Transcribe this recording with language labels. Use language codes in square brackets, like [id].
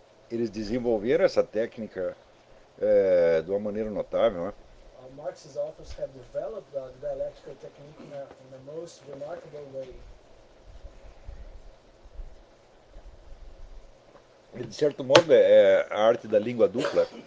[pt] eles desenvolveram essa técnica de uma maneira notável, né? [en] Marx's authors have developed the dialectical technique in the most remarkable way. [pt] De certo modo, é a arte da língua dupla.